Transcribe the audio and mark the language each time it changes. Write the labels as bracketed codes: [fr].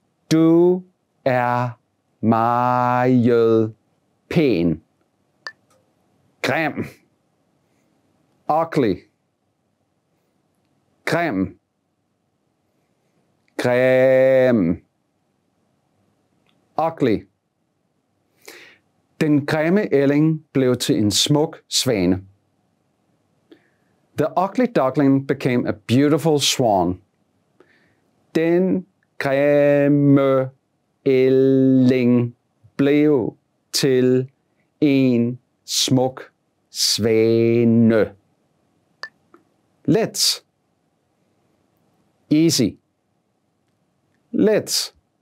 [da] Du meget pæn. Grim. Ugly. Grim. Grim. Ugly. Den grimme ælling blev til en smuk svane. [en] The ugly duckling became a beautiful swan. [da] Den grimme Elling blev til en smuk svane. Let. Easy. Let.